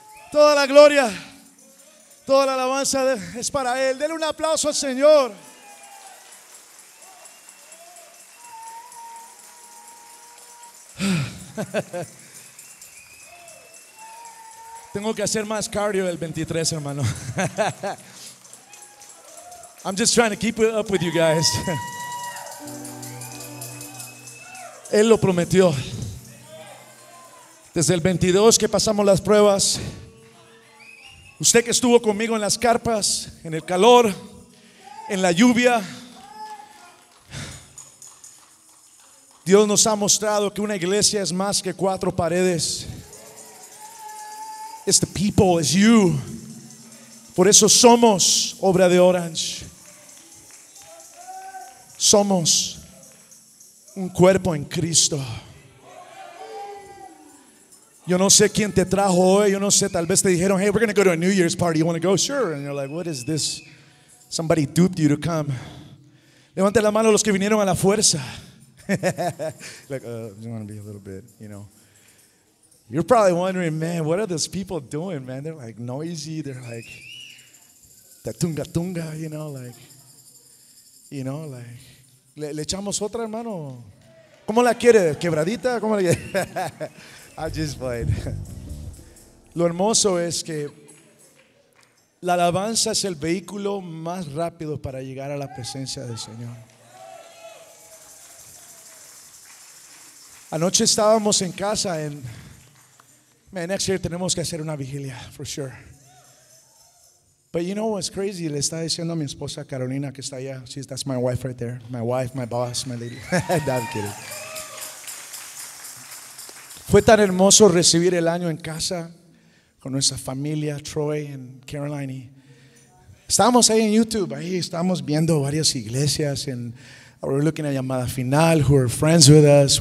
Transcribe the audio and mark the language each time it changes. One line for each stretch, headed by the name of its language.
Spanish: Toda la gloria, toda la alabanza es para Él. Dele un aplauso al Señor. Tengo que hacer más cardio el 23, hermano.
English: I'm just trying to keep it up with you guys.
Spanish: Él lo prometió. Desde el 22 que pasamos las pruebas, usted que estuvo conmigo en las carpas, en el calor, en la lluvia, Dios nos ha mostrado que una iglesia es más que cuatro paredes.
English: It's the people, it's you.
Spanish: Por eso somos obra de Orange. Somos un cuerpo en Cristo. Yo no sé quién te trajo hoy. Yo no sé, tal vez te dijeron,
English: hey, we're going to go to a New Year's party. You want to go? Sure. And you're like, what is this? Somebody duped you to come.
Spanish: Levante la mano los que vinieron a la fuerza.
English: Like, you want to be a little bit, you know. You're probably wondering, man, what are those people doing, man? They're like noisy. They're like tatunga tunga, you know, like, you know, like.
Spanish: ¿Le echamos otra, hermano? ¿Cómo la quiere? ¿Quebradita? ¿Cómo la quiere?
English: I just played.
Spanish: Lo hermoso es que la alabanza es el vehículo más rápido para llegar a la presencia del Señor. Anoche estábamos en casa en man,
English: next year
Spanish: tenemos que hacer una vigilia,
English: for sure. But you know what's crazy?
Spanish: Le está diciendo a mi esposa Carolina que está allá.
English: She's, that's my wife right there. My wife, my boss, my lady. No, I'm kidding.
Spanish: Fue tan hermoso recibir el año en casa con nuestra familia, Troy and Caroline. Estábamos ahí en YouTube. Ahí estábamos viendo varias iglesias.
English: And we're looking at Llamada Final, who are friends with us.